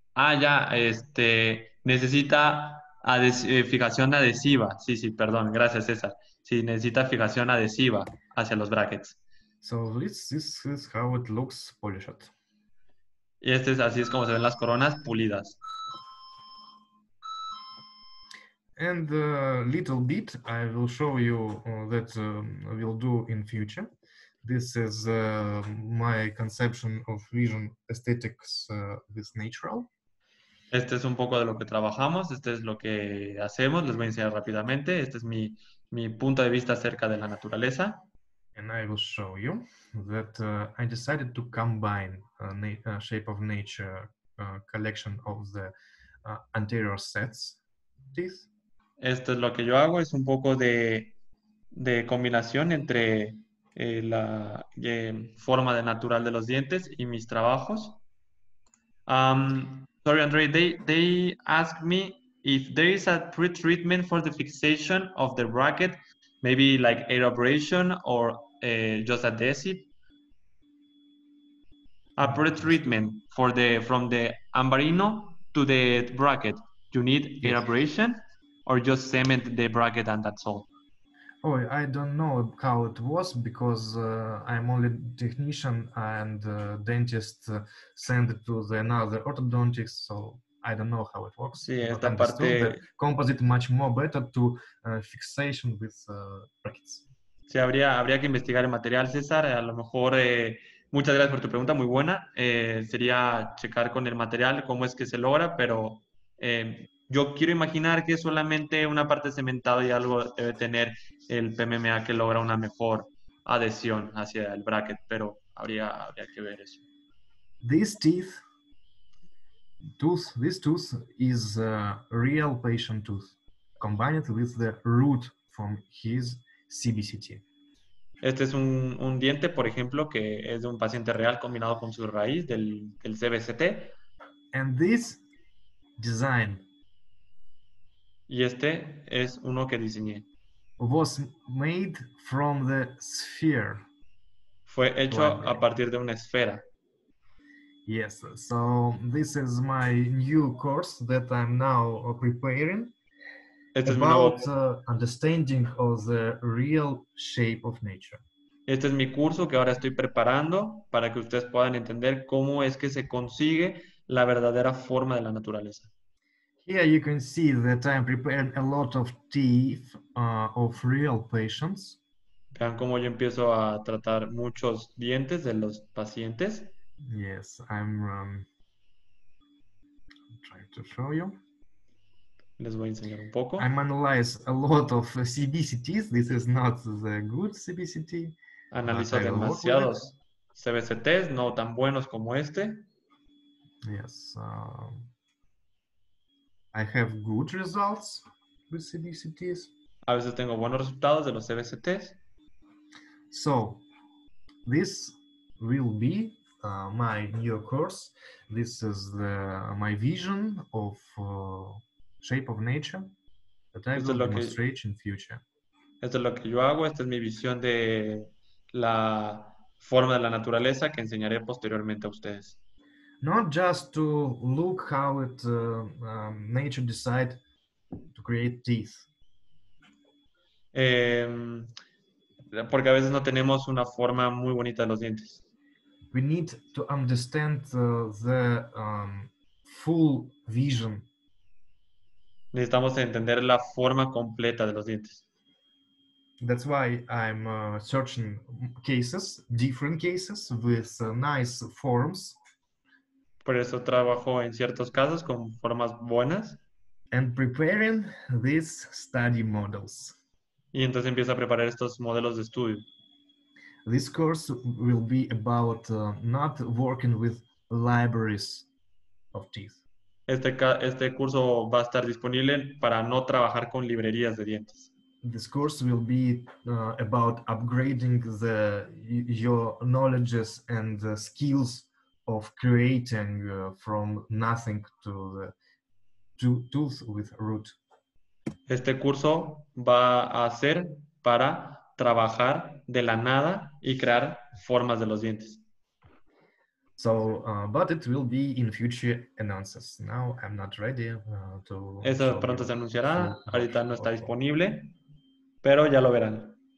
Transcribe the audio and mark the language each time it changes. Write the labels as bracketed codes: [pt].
[es] Ah, ya, necesita fijación adhesiva. Sí, sí, perdón, gracias César. Sí, necesita fijación adhesiva hacia los brackets. [en] So this is how it looks polished. [es] Y así es como se ven las coronas pulidas. [en] And a little bit I will show you that we'll do in future. This is my conception of vision aesthetics with natural. [es] Este es un poco de lo que trabajamos, este es lo que hacemos, les voy a enseñar rápidamente. Este es mi punto de vista acerca de la naturaleza. [en] And I will show you that I decided to combine Shape of Nature collection of the anterior sets. This. [es] Esto es lo que yo hago, es un poco de combinación entre la forma de natural de los dientes y mis trabajos. [en] Sorry, Andre, they asked me if there is a pre-treatment for the fixation of the bracket, maybe like air abrasion or just adhesive. A pre-treatment from the Ambarino to the bracket. You need air abrasion or just cement the bracket and that's all? Oh, I don't know how it was because I'm only technician and dentist send it to the another orthodontist, so I don't know how it works. [es] Sí, esta parte... [en] Composite much more better to fixation with brackets. [es] Sí, habría que investigar el material, César. A lo mejor, muchas gracias por tu pregunta, muy buena. Sería checar con el material cómo es que se logra, pero yo quiero imaginar que solamente una parte cementada y algo debe tener el PMMA que logra una mejor adhesión hacia el bracket, pero habría que ver eso. [en] This tooth is a real patient tooth combined with the root from his CBCT. [es] Este es un diente, por ejemplo, que es de un paciente real combinado con su raíz del CBCT. [en] And this design. [es] Y este es uno que diseñé. [en] Was made from the sphere. [es] Fue hecho a partir de una esfera. [en] Yes, so this is my new course that I'm now preparing. [es] Este es [en] about understanding of the real shape of nature. [es] Este es mi curso que ahora estoy preparando para que ustedes puedan entender cómo es que se consigue la verdadera forma de la naturaleza. [en] Here you can see that I'm preparing a lot of teeth of real patients. [es] Vean cómo yo empiezo a tratar muchos dientes de los pacientes. [en] Yes, I'm trying to show you. [es] Les voy a enseñar un poco. [en] I'm analyzing a lot of CBCTs. This is not the good CBCT. [es] Analizo demasiados CBCTs, no tan buenos como este. [en] Yes. I have good results with CBCTs. [es] A veces tengo buenos resultados de los CBCTs. [en] So, this will be my new course. This is the, my vision of shape of nature that I will demonstrate in future. [es] Esto es lo que yo hago. Esta es mi visión de la forma de la naturaleza que enseñaré posteriormente a ustedes. [en] Not just to look how it nature decide to create teeth. [es] Porque a veces no tenemos una forma muy bonita de los dientes. [en] We need to understand the full vision. [es] Necesitamos entender la forma completa de los dientes. [en] That's why I'm searching cases, different cases with nice forms. [es] Por eso trabajo en ciertos casos con formas buenas. [en] And preparing these study models. [es] Y entonces empiezo a preparar estos modelos de estudio. [en] This course will be about not working with libraries of teeth. [es] Este curso va a estar disponible para no trabajar con librerías de dientes. [en] This course will be about upgrading the your knowledges and the skills of creating from nothing to the tooth with root. [es] Este curso va a ser para trabajar de la nada y crear formas de los dientes. [en] So, but it will be in future announces. Now I'm not ready to. [es] Eso pronto se anunciará. Ahorita no está disponible, pero ya lo verán.